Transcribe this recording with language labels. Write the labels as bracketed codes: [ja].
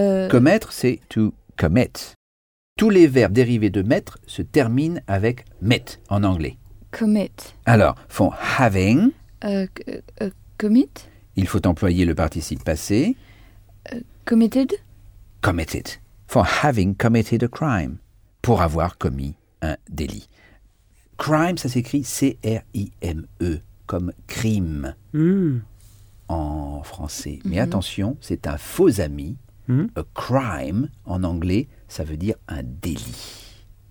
[fr] Commettre, c'est [en] to commit. [fr] Tous les verbes dérivés de mettre se terminent avec met en anglais. [en] Commit. Alors, for having... commit. [fr] Il faut employer le participe passé... [en] Committed. Committed. For having committed a crime. [fr] Pour avoir commis un délit. Crime, ça s'écrit C-R-I-M-E, comme crime en français. Mais attention, c'est un faux ami. A crime, en anglais, ça veut dire un délit.